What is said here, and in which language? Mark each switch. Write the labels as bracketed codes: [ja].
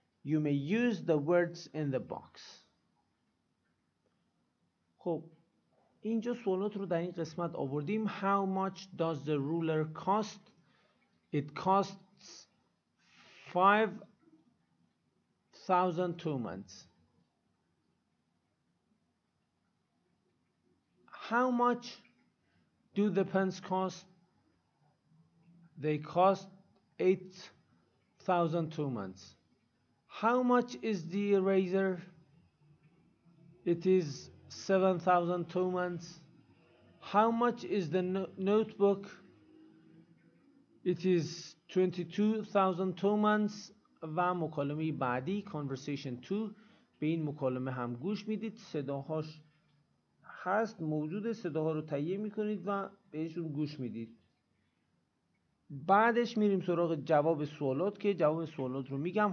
[en] You may use the words in the box. [fa] خب اینجا سوالات رو در این قسمت آوردیم. [en] How much does the ruler cost? It costs 5,000 tumans. How much do the pens cost? They cost 8,000 tumans. How much is the eraser? It is 7,000 tumans. How much is the notebook? It is 22,000 tumans. [fa] و مکالمه بعدی conversation 2 به این مکالمه هم گوش میدید، صداهاش هست، موجود، صداها رو تهیه میکنید و بهشون گوش میدید. بعدش میریم سراغ جواب سوالات که جواب سوالات رو میگم.